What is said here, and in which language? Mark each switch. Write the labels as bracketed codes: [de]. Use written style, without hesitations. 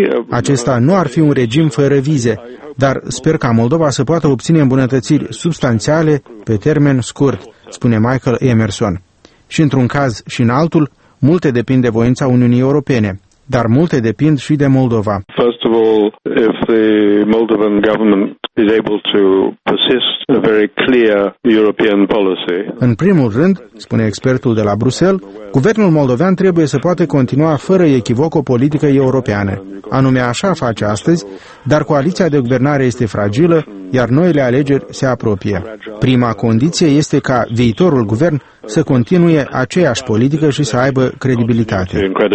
[ro] Acesta nu ar fi un regim fără vize, dar sper ca Moldova să poată obține îmbunătățiri substanțiale pe termen scurt, spune Michael Emerson. Și într-un caz și în altul, multe depind de voința Uniunii Europene, dar multe depind și de Moldova. [en] First of all, if the Moldovan government is able to persist a very clear European policy. [ro] În primul rând, spune expertul de la Bruxelles, guvernul moldovean trebuie să poată continua fără echivoc o politică europeană. Anume așa face astăzi, dar coaliția de guvernare este fragilă, iar noile alegeri se apropie. Prima condiție este ca viitorul guvern să continue aceeași politică și să aibă credibilitate.